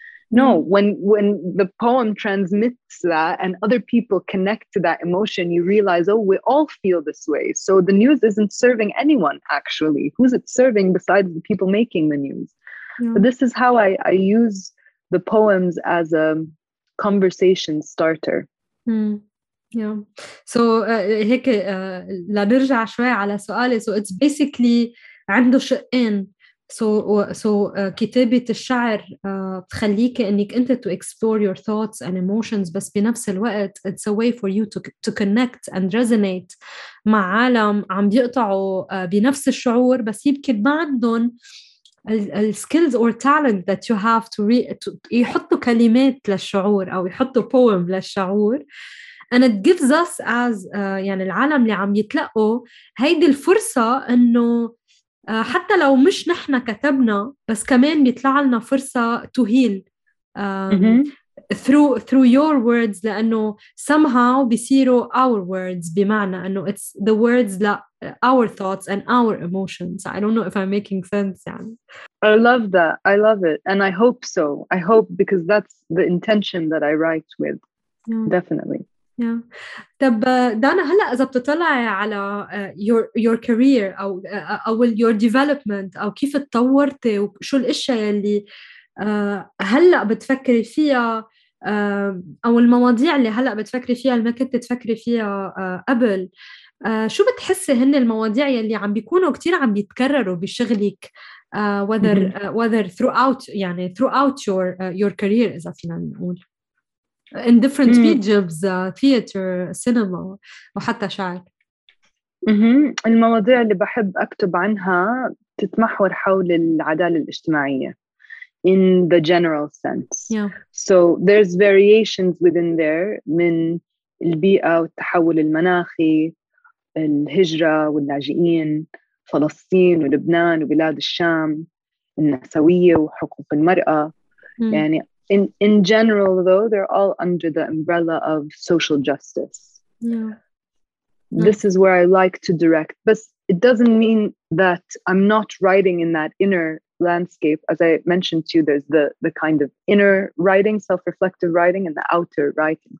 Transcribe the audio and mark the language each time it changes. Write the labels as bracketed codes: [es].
[en] No, when the poem transmits that and other people connect to that emotion, you realize, oh, we all feel this way. So the news isn't serving anyone, actually. Who's it serving besides the people making the news? Yeah. But this is how I use the poems as a conversation starter. Mm. Yeah. [ar] So هيك لنرجع شوي على سؤالي. [en] So it's basically [ar] عنده شقين. [en] So [ar] كتابة الشعر بتخليك إنك أنت [en] to explore your thoughts and emotions. [ar] بس بنفس الوقت [en] it's a way for you to connect and resonate [ar] مع عالم عم بيقطعوا بنفس الشعور. بس يمكن ما عندهم ال [en] skills or talent that you have to [ar] يحطوا كلمات للشعور أو يحطوا poem للشعور. [en] And it gives us as [ar] يعني العالم اللي عم يتلقوا هيدي الفرصة إنه حتى لو مش نحنا كتبنا بس كمان بيطلع لنا فرصة [en] to heal through your words [ar] لأنه [en] somehow [ar] بيصيروا [en] our words [ar] بمعنى إنه [en] it's the words our thoughts and our emotions I don't know if I'm making sense يعني. I love that I love it and I hope so I hope because that's the intention that I write with definitely. Yeah. [ar] طب دانا هلا اذا بتطلعي على [en] your career [ar] او [en] your development [ar] او كيف تطورتي وشو الاشياء اللي هلا بتفكري فيها او المواضيع اللي هلا بتفكري فيها اللي ما كنت تفكري فيها قبل شو بتحسي هن المواضيع اللي عم بيكونوا كتير عم بيتكرروا بشغلك [en] whether throughout [ar] يعني [en] throughout your career [ar] اذا فينا نقول [en] In different mediums, theater, cinema, or [ar] حتى شعر. المواضيع اللي بحب أكتب عنها تتمحور حول العدالة الاجتماعية [en] in the general sense. Yeah. So there's variations within there [ar] من البيئة والتحول المناخي, الهجرة واللاجئين, فلسطين ولبنان وبلاد الشام, النسوية وحقوق المرأة. يعني [en] In general, though, they're all under the umbrella of social justice. Yeah. This is where I like to direct. But it doesn't mean that I'm not writing in that inner landscape. As I mentioned to you, there's the kind of inner writing, self-reflective writing, and the outer writing.